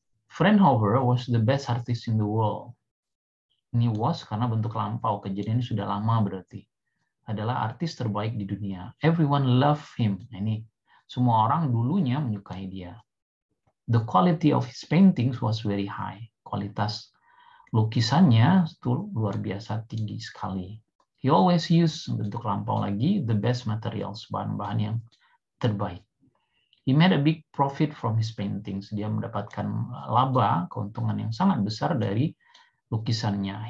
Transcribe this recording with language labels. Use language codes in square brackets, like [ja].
[en] Fraunhofer was the best artist in the world. [id] Ini was karena bentuk lampau, kejadiannya sudah lama berarti. Adalah artis terbaik di dunia. [en] Everyone love him. [id] Ini semua orang dulunya menyukai dia. [en] The quality of his paintings was very high. [id] Kualitas lukisannya itu luar biasa tinggi sekali. [en] He always used, [id] bentuk lampau lagi, [en] the best materials, [id] bahan-bahan yang terbaik. [en] He made a big profit from his paintings. [id] Dia mendapatkan laba, keuntungan yang sangat besar dari lukisannya.